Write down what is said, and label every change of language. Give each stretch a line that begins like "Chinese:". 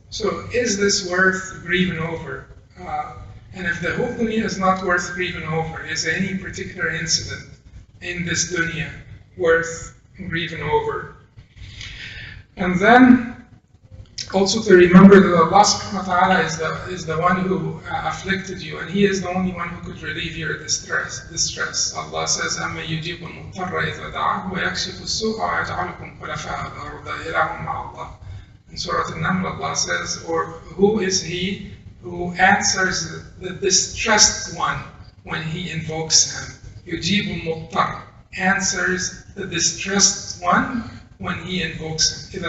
English: So is this worth grieving over? And if the whole dunya is not worth grieving over, is any particular incident in this dunya worth grieving over? And then also to remember that Allah subhanahu wa ta'ala is the one who afflicted you, and He is the only one who could relieve your distress. Allah says,
Arabic: أَمَّا يُجِيبُ الْمُضْطَرَّ إِذَا دَعَاهُ وَيَكْشِفُ السُّوءَ وَيَجْعَلُكُمْ خُلَفَاءَ الْأَرْضِ إِلَهٌ مَعَ اللَّهِ.
English: In Surah An-Naml, Allah says, or who is he who answers the distressed one when he invokes him?
Arabic: يُجِيبُ الْمُضْطَرَّ,
English: answers the distressed one when he invokes him.